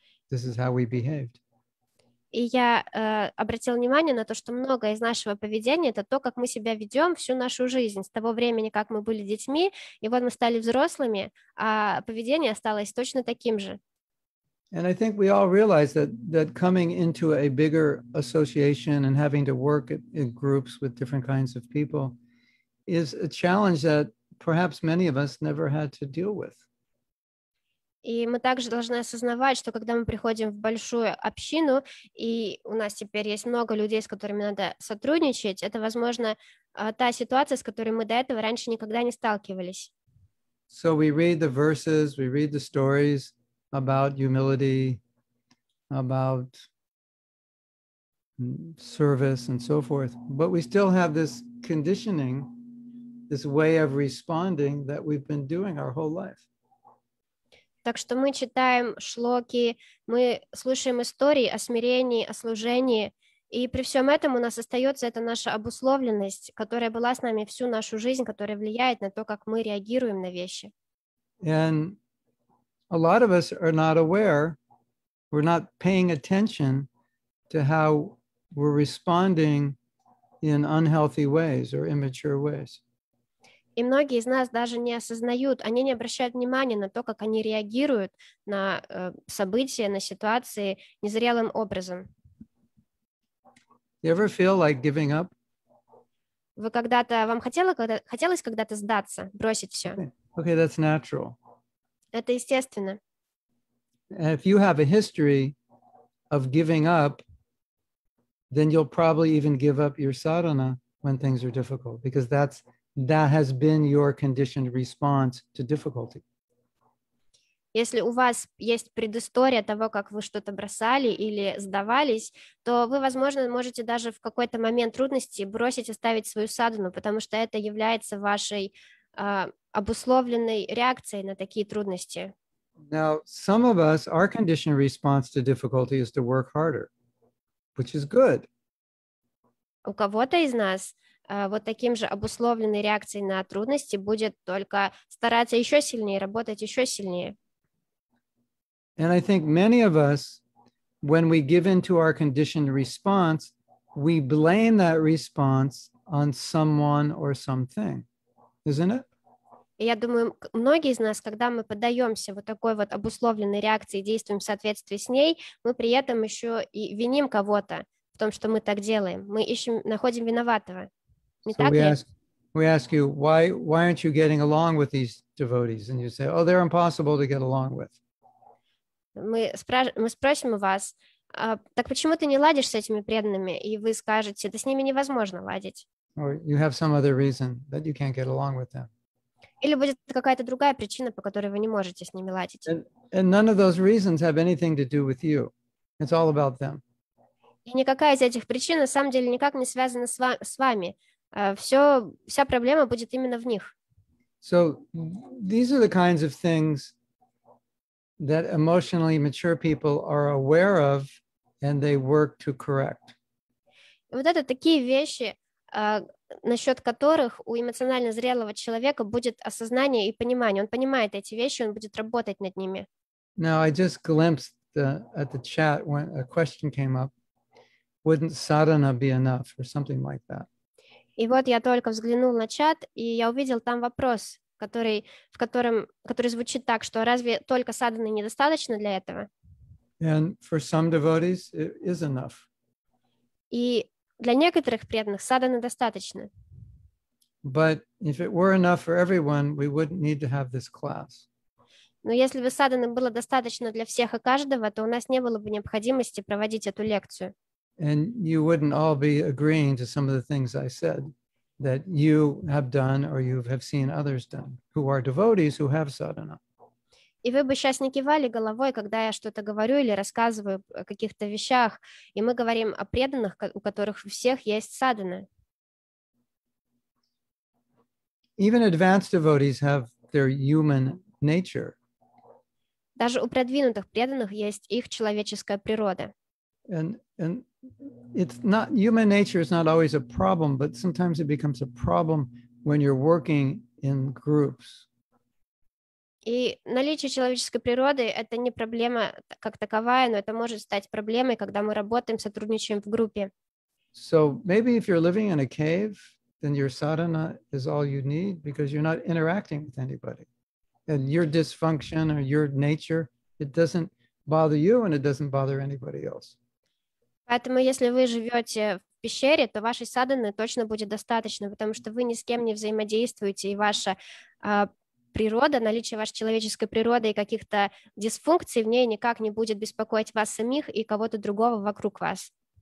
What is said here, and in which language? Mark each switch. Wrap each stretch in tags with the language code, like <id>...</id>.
<en>This is how we behaved.</en> <ru>И я обратил внимание на то, что многое из нашего поведения — это то, как мы себя ведем всю нашу жизнь. С того времени, как мы были детьми, и вот мы стали взрослыми, а поведение осталось точно таким же.</ru> <en>And I think we all realize that coming into a bigger association and having to work in groups with different kinds of people is a challenge that perhaps many of us never had to deal with.</en> <ru>И мы также должны осознавать, что когда мы приходим в большую общину, и у нас теперь есть много людей, с которыми надо сотрудничать, это, возможно, та ситуация, с которой мы до этого раньше никогда не сталкивались.</ru> <en>So we read the verses, we read the stories about humility, about service and so forth, but we still have this conditioning, this way of responding that we've been doing our whole life.</en> <ru>Так что мы читаем шлоки, мы слушаем истории о смирении, о служении, и при всем этом у нас остается эта наша обусловленность, которая была с нами всю нашу жизнь, которая влияет на то, как мы реагируем на вещи.</ru> <en>And a lot of us are not aware, we're not paying attention to how we're responding in unhealthy ways or immature ways.</en> <ru>И многие из нас даже не осознают, они не обращают внимания на то, как они реагируют на события, на ситуации незрелым образом.</ru> <en>You ever feel like giving up?</en> <ru>Вы когда-то, вам хотелось когда-то сдаться, бросить все?</ru> <en>Okay, that's natural.</en> <ru>Это естественно.</ru> <en>And if you have a history of giving up, then you'll probably even give up your sadhana when things are difficult, because that has been your conditioned response to difficulty.</en> <ru>Если у вас есть предыстория того, как вы что-то бросали или сдавались, то вы, возможно, можете даже в какой-то момент трудности бросить, оставить свою садхану, потому что это является вашей обусловленной реакцией на такие трудности.</ru> <en>Now, some of us, our conditioned response to difficulty is to work harder, which is good.</en> <ru>У кого-то из нас вот таким же обусловленной реакцией на трудности будет только стараться еще сильнее, работать еще сильнее.</ru> <en>And I think many of us, when we give in to our conditioned response, we blame that response on someone or something, isn't it?</en> <ru>И я думаю, многие из нас, когда мы поддаемся вот такой вот обусловленной реакции, действуем в соответствии с ней, мы при этом еще и виним кого-то в том, что мы так делаем. Мы ищем, находим виноватого.</ru> <en>So we ask you, why aren't you getting along with these devotees? And you say, oh, they're impossible to get along with.</en> <ru>Мы спросим у вас, так почему ты не ладишь с этими преданными? И вы скажете, да с ними невозможно ладить.</ru> <en>Or you have some other reason that you can't get along with them.</en> <ru>Или будет какая-то другая причина, по которой вы не можете с ними ладить.</ru> <en>And none of those reasons have anything to do with you. It's all about them.</en> <ru>И никакая из этих причин, на самом деле, никак не связана с вами. Вся проблема будет именно в них.</ru> <en>So these are the kinds of things that emotionally mature people are aware of and they work to correct.</en> <ru>Вот это такие вещи, насчет которых у эмоционально зрелого человека будет осознание и понимание. Он понимает эти вещи, он будет работать над ними.</ru> <en>Now I just glimpsed at the chat when a question came up. Wouldn't sadhana be enough or something like that?</en> <ru>И вот я только взглянул на чат, и я увидел там вопрос, который звучит так, что разве только садханы недостаточно для этого?</ru> <en>And for some devotees, it is enough.</en> <ru>И для некоторых преданных садханы достаточно.</ru> <en>But if it were enough for everyone, we wouldn't need to have this class.</en> <ru>Но если бы садханы было достаточно для всех и каждого, то у нас не было бы необходимости проводить эту лекцию.</ru> <en>And you wouldn't all be agreeing to some of the things I said that you have done or you have seen others done who are devotees who have sadhana.</en> <ru>И вы бы сейчас не кивали головой, когда я что-то говорю или рассказываю о каких-то вещах, и мы говорим о преданных, у которых у всех есть садхана.</ru> <en>Even advanced devotees have their human nature.</en> <ru>Даже у продвинутых преданных есть их человеческая природа.</ru> <en>And it's not human nature is not always a problem, but sometimes it becomes a problem when you're working in groups.</en> <ru>И наличие человеческой природы это не проблема как таковая, но это может стать проблемой, когда мы работаем, сотрудничаем в группе.</ru> <en>So maybe if you're living in a cave, then your sadhana is all you need because you're not interacting with anybody. And your dysfunction or your nature, it doesn't bother you and it doesn't bother anybody else.</en> <ru>Поэтому если вы живете в пещере, то вашей садханы точно будет достаточно, потому что вы ни с кем не взаимодействуете, и ваша природа, наличие вашей человеческой природы и каких-то дисфункций в ней никак не будет беспокоить вас самих и кого-то другого вокруг вас.</ru>